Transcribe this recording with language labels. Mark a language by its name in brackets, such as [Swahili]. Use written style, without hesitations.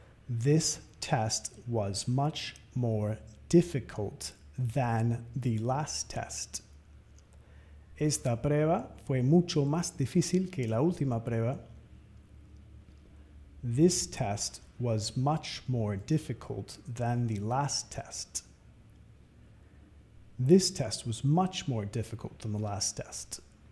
[English] This test was much more difficult than the last test. [Spanish] Esta prueba fue mucho más difícil que la última prueba. [English] This test was much more difficult than the last test. This test was much more difficult than the last test.